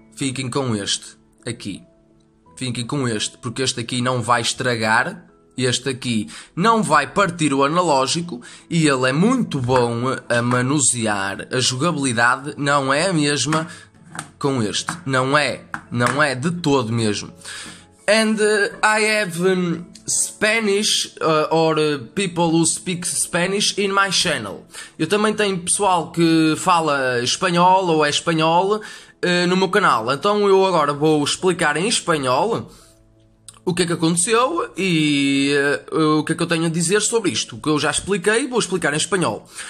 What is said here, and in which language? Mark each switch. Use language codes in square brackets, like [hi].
[pt] Fiquem com este aqui. Fiquem com este, porque este aqui não vai estragar. Este aqui não vai partir o analógico e ele é muito bom a manusear. A jogabilidade não é a mesma com este. Não é. Não é de todo mesmo. [en] And I have Spanish or people who speak Spanish in my channel. [pt] Eu também tenho pessoal que fala espanhol ou é espanhol no meu canal. Então eu agora vou explicar em espanhol o que é que aconteceu e o que é que eu tenho a dizer sobre isto. O que eu já expliquei, vou explicar em espanhol.